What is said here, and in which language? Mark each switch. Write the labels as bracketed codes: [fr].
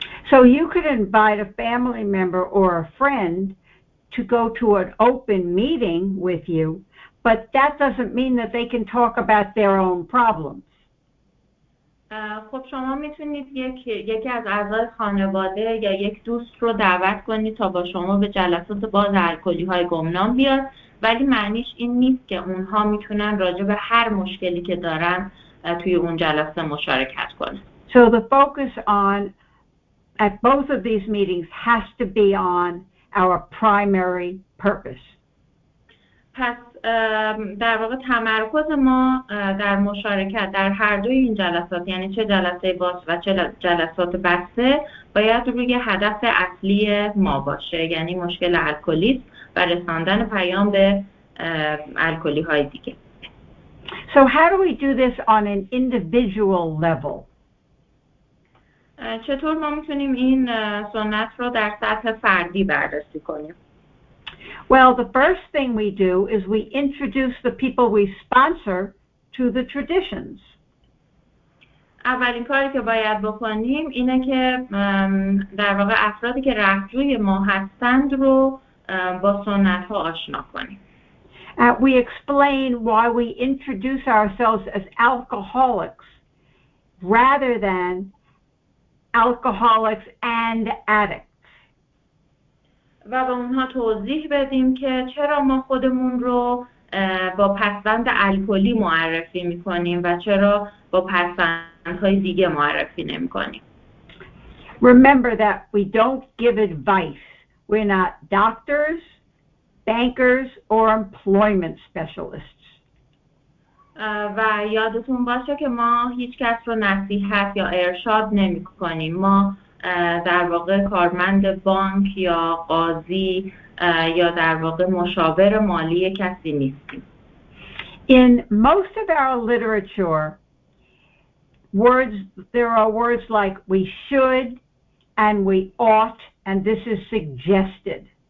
[en] So you could invite a family member or a friend to go to an open meeting with you, but that doesn't mean that they can talk about their own problems. [fa] خب شما میتونید یکی از اعضای خانواده یا یک دوست رو دعوت کنید تا با شما به جلسات باز الکلی های گمنام بیاد، ولی معنیش این نیست که اونها میتونن راجع به هر مشکلی که دارن توی اون جلسه مشارکت کنن. [en] So the focus on at both of these meetings has to be on our primary purpose. [fa] پس در واقع تمرکز ما در مشارکت در هر دوی این جلسات، یعنی چه جلسه باز و چه جلسات بسته، باید روی هدف اصلی ما باشه، یعنی مشکل الکلیسم و رساندن پیام به الکلی های دیگه. [en] So how do we do this on an individual level? [fa] چطور ما میتونیم این سنت رو در سطح فردی بررسی کنیم؟ [en] Well, the first thing we do is we introduce the people we sponsor to the traditions. [fa] اولین کاری که باید بکنیم اینه که در واقع افرادی که رهجوی ما هستند رو با سنت‌ها آشنا کنیم. [en] We explain why we introduce ourselves as alcoholics rather than alcoholics and addicts. [fa] و به اونها توضیح بدیم که چرا ما خودمون رو با پسوند الکلی معرفی می‌کنیم و چرا با پسوندهای دیگه معرفی نمی‌کنیم. [en] Remember that we don't give advice. We're not doctors, bankers, or employment specialists. [fa] و یادتون باشه که ما هیچ کس رو نصیحت یا ارشاد نمی‌کنیم. ما در واقع کارمند بانک یا قاضی یا در واقع مشاور مالی کسی نیستیم. [en] In most of our literature, there are words like we should and we ought, and this is suggested.